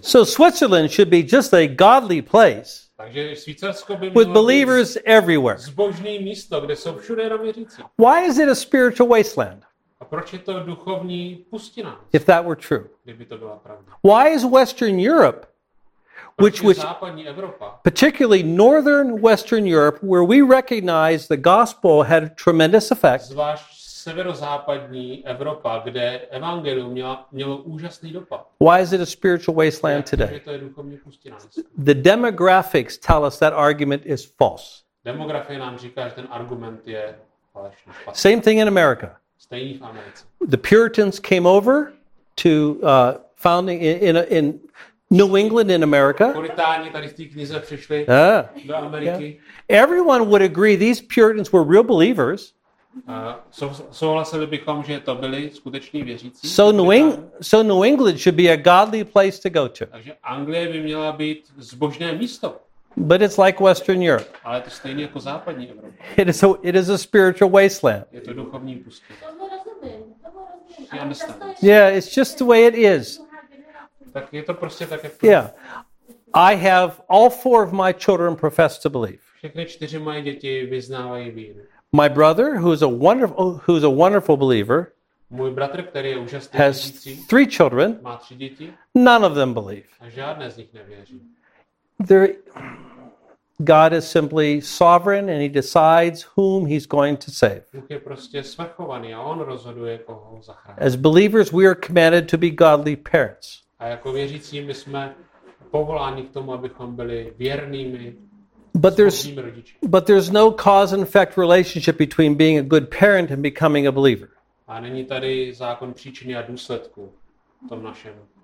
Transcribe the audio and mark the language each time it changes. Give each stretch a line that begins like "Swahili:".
English: So Switzerland should be just a godly place.
Czech: Takže Švýcarsko by
English: with believers everywhere.
Czech: Zbožné místo, kde jsou všude jenom věřící.
English: Why is it a spiritual wasteland?
Czech: A proč je to duchovní pustina?
English: If that were true.
Czech: Kdyby to byla pravda.
English: Why is Western Europe, which
Czech: západní Evropa,
English: particularly Northern Western Europe, where we recognize the gospel had a tremendous effect?
Czech: Severozápadní Evropa, kde evangelium mělo úžasný dopad.
English: Why is it a spiritual wasteland today?
Czech: Protože to je duchovní pustina.
English: The demographics tell us that argument is false.
Czech: Demografie nám říká, že ten argument je falešný.
English: Same thing in America.
Czech: Stejný v Americe.
English: The Puritans came over to founding in New England in America.
Czech: Puritáni tady z té knize přišli do Ameriky. Yeah.
English: Everyone would agree these Puritans were real believers.
Czech: Souhlasili bychom, že to byli skuteční věřící.
English: So New England should be a godly place to go to.
Czech: Takže Anglie by měla být zbožné místo.
English: But it's like Western Europe.
Czech: Ale to stejně jako západní Evropa.
English: It is a spiritual wasteland.
Czech: Je to duchovní pustina. To rozumím.
English: Yeah, it's just the way it is.
Czech: Tak je to prostě tak, jak yeah.
English: I have all four of my children profess to believe.
Czech: Všechny čtyři moje děti vyznávají víru.
English: My brother, who's a wonderful believer,
Czech: můj bratr, který je úžasný,
English: has three children.
Czech: Má tři děti.
English: None of them believe.
Czech: A žádné z nich nevěří.
English: God is simply sovereign, and He decides whom He's going to save.
Czech: Bůh je prostě svrchovaný a On rozhoduje, koho zachrání.
English: As believers, we are commanded to be godly parents.
Czech: A jako věřící, my jsme povoláni k tomu, abychom byli věrnými.
English: But there's no cause and effect relationship between being a good parent and becoming a believer.
Czech: A není tady zákon příčiny a důsledku v tom našem.